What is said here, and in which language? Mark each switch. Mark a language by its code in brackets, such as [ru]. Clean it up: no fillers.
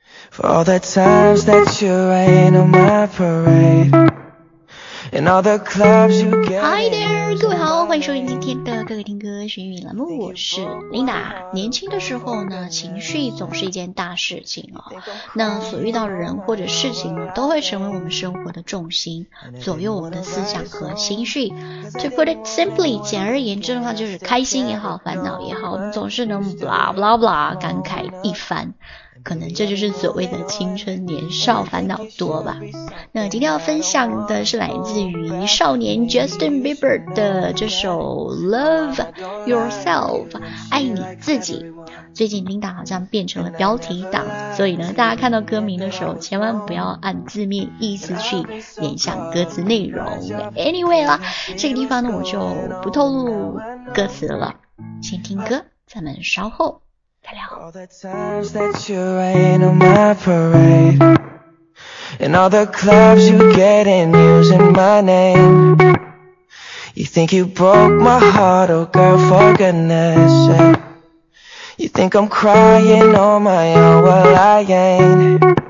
[en] For all the times that you rain on my parade. In all the clubs you get. Hi there, [zh] 各位好，欢迎收听今天的各个听歌学英语栏目，我是 Linda。年轻的时候呢，情绪总是一件大事情哦，那所遇到的人或者事情呢，都会成为我们生活的重心，左右我们的思想和情绪。 [en] To put it simply, [zh] 简而言之的话，就是开心也好，烦恼也好，总是能 [en] blah blah blah [zh] 感慨一番，可能这就是所谓的青春年少烦恼多吧。那今天要分享的是来自于少年 Justin Bieber 的这首 Love Yourself, 爱你自己。最近 Linda 好像变成了标题党，所以呢，大家看到歌名的时候千万不要按字面意思去联想歌词内容。 [en] Anyway [zh] 啦，这个地方呢我就不透露歌词了，先听歌，咱们稍后 [en] All the times that you rain on my parade. And all the clubs you get in using my name. You think you broke my heart, oh girl, for goodness sake. You think I'm crying on my own, well I ain't.